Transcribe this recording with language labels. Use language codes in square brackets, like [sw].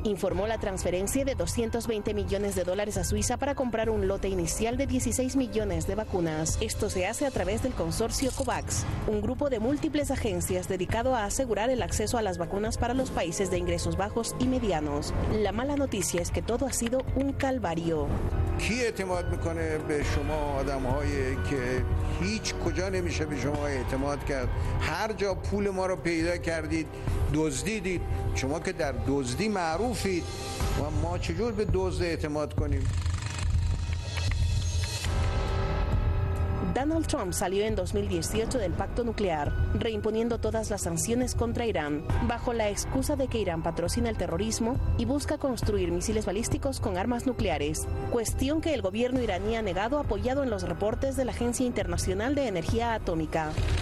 [es] Informó la transferencia de 220 millones de dólares a Suiza para comprar un lote inicial de 16 millones de vacunas. Esto se hace a través del consorcio COVAX, un grupo de múltiples agencias dedicado a asegurar el acceso a las vacunas para los países de ingresos bajos y medianos. La mala noticia es que todo ha sido un calvario. [fa] کی اعتماد میکنه به شما آدم هایی که هیچ کجا نمیشه به شما اعتماد کرد؟ هر جا پول ما رو پیدا کردید دزدیدید، شما که در دزدی معروفید و ما چجور به دزد اعتماد کنیم؟ [es] Donald Trump salió en 2018 del pacto nuclear, reimponiendo todas las sanciones contra Irán, bajo la excusa de que Irán patrocina el terrorismo y busca construir misiles balísticos con armas nucleares, cuestión que el gobierno iraní ha negado apoyado en los reportes de la Agencia Internacional de Energía Atómica.